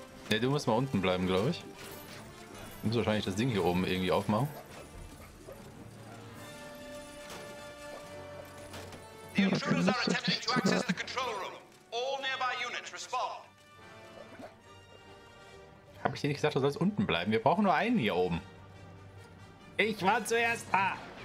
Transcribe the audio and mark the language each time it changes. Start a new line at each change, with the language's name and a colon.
German: Ja, du musst mal unten bleiben, glaube ich. Du musst wahrscheinlich das Ding hier oben irgendwie aufmachen.
English: The intruders are attempting to access the control room. All nearby units respond.
German: Hab ich dir nicht gesagt, du sollst unten bleiben? Wir brauchen nur einen hier oben. Ich war zuerst da.